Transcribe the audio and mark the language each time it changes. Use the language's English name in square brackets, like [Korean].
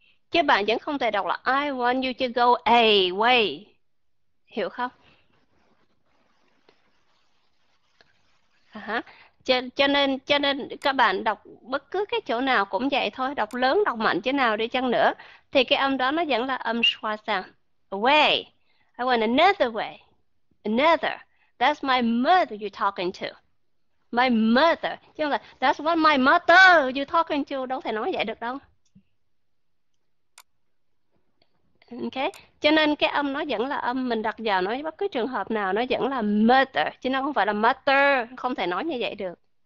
[Vietnamese] Chứ bạn vẫn không thể đọc là [English] I want you to go away. [Vietnamese] Hiểu không? Cho nên các bạn đọc bất cứ cái chỗ nào cũng vậy thôi, đọc lớn đọc mạnh chỗ nào đi chăng nữa thì cái âm đó nó vẫn là âm schwa sound. [English] Away. I want another way. Another. That's my mother you talking to. My mother. [Vietnamese] Chứ không là [English] that's what my mother you talking to, [Vietnamese] đâu thể nói vậy được đâu. Ok, cho nên cái âm nó vẫn là âm mình đặt vào nó bất cứ trường hợp nào nó vẫn là mother, chứ nó không phải là mother, không thể nói như vậy được.